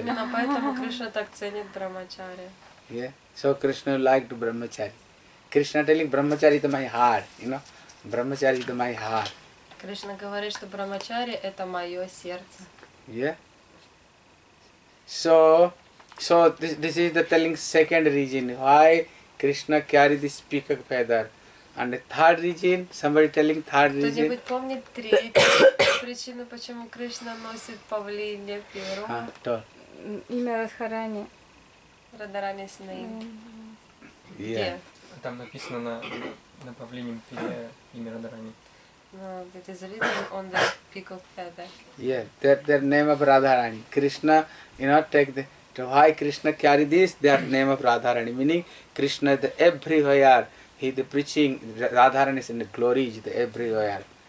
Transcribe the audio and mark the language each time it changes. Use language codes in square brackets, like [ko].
[ru] Именно поэтому Кришна так ценит Брахмачари. [en] Yeah. So Krishna like to Brahmachari. Krishna telling Brahmachari to my heart, you know. Brahmachari to my heart. [ru] Кришна говорит, что Брахмачари это мое сердце. [en] Yeah. So this is the telling second reason why Krishna carry this peacock feather. And the third reason, somebody telling third reason. [ru] Кто-нибудь помнит третью причину, почему Кришна носит павлинье перо? А, кто? Имя Радхарани. Радхарани Снейк. [en] Yeah. [ru] Там написано на павлинем перо имя Радхарани. [en] No, that is written on the peacock feather. Yeah, their name of Radharani. Krishna, you know, take the... So why Krishna carry this? Their name of Radharani. Meaning, Krishna the everywhere. He the preaching Radharani is in the glory is the everywhere.